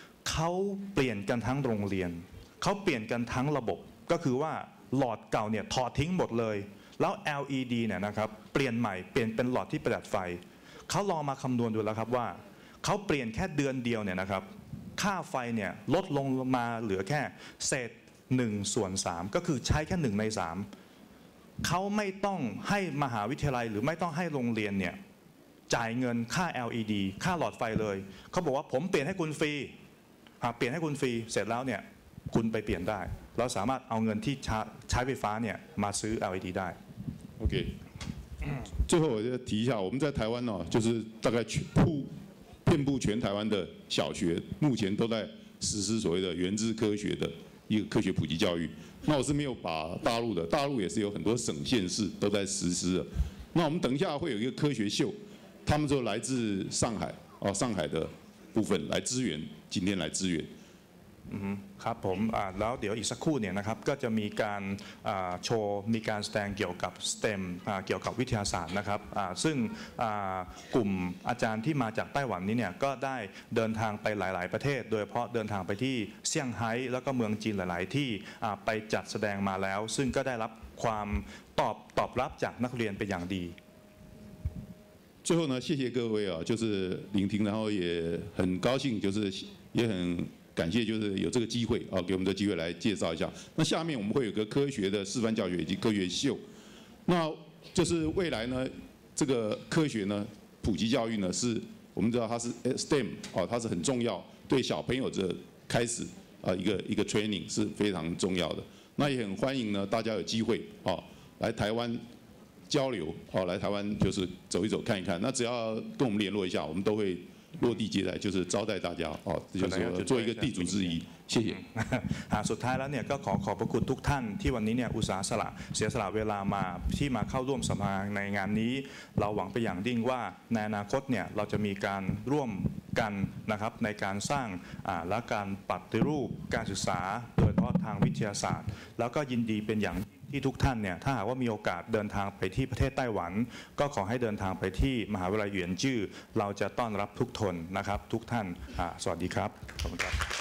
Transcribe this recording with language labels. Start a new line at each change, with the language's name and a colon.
Thai: เขาเปลี่ยนกันทั้งโรงเรียนเขาเปลี่ยนกันทั้งระบบก็คือว่าหลอดเก่าเนี่ยถอดทิ้งหมดเลยแล้ว LED เนี่ยนะครับเปลี่ยนใหม่เปลี่ยนเป็นหลอดที่ประดับไฟเขาลองมาคำนวณดูแล้วครับว่าเขาเปลี่ยนแค่เดือนเดียวเนี่ยนะครับค่าไฟเนี่ยลดลงมาเหลือแค่เศษ1ส่วน3ก็คือใช้แค่1ใน3เขาไม่ต้องให้มหาวิทยาลัยหรือไม่ต้องให้โรงเรียนเนี่ย จ่ายเงินค่า LED ค่าหลอดไฟเลยเขาบอกว่าผมเปลี่ยนให้คุณฟรีเปลี่ยนให้คุณฟรีเสร็จแล้วเนี่ยคุณไปเปลี่ยนได้แล้วสามารถเอาเงินที่ใช้ไฟฟ้าเนี่ยมาซื้อ LED ได้
Chinese: โอเค最后我就提一下我们在台湾哦就是大概遍布全台湾的小学目前都在实施所谓的原知科学的一个科学普及教育那我是没有把大陆的大陆也是有很多省县市都在实施的那我们等一下会有一个科学秀他们说来自上海、哦、上海的部分来支援今天来支援
Thai: ครับผมแล้วเดี๋ยวอีกสักครู่เนี่ยนะครับก็จะมีการโชว์มีการแสดงเกี่ยวกับ STEM เกี่ยวกับวิทยาศาสตร์นะครับซึ่งกลุ่มอาจารย์ที่มาจากไต้หวันนี้เนี่ยก็ได้เดินทางไปหลายๆประเทศโดยเฉพาะเดินทางไปที่เซี่ยงไฮ้แล้วก็เมืองจีนหลายๆที่ไปจัดแสดงมาแล้วซึ่งก็ได้รับความตอบรับจากนักเรียนเป็นอย่างดี
Chinese: 最后呢谢谢各位啊就是聆听然后也很高兴就是也很感谢就是有这个机会啊给我们的机会来介绍一下那下面我们会有个科学的示范教学以及科学秀那就是未来呢这个科学呢普及教育呢是我们知道它是 STEM 啊它是很重要对小朋友的开始啊一个 training 是非常重要的那也很欢迎呢大家有机会啊来台湾交流哦，来台湾就是走一走看一看。那只要跟我们联络一下，我们都会落地接待，就是招待大家哦，就是做一个地主之谊。谢谢。
Thai: 啊，สุดท้ายแล้วเนี่ยก็ขอขอบพระคุณทุกท่านที่วันนี้เนี่ยอุตส่าห์สละเสียสละเวลามาที่มาเข้าร่วมสภาในงานนี้เราหวังไปอย่างยิ่งว่าในอนาคตเนี่ยเราจะมีการร่วมกันนะครับในการสร้างและการปฏิรูปการศึกษาโดยเฉพาะทางวิทยาศาสตร์แล้วก็ยินดีเป็นอย่างที่ทุกท่านเนี่ยถ้าหากว่ามีโอกาสเดินทางไปที่ประเทศไต้หวันก็ขอให้เดินทางไปที่มหาวิทยาลัยเหวียนจื้อเราจะต้อนรับทุกทนนะครับทุกท่านสวัสดีครับขอบคุณครับ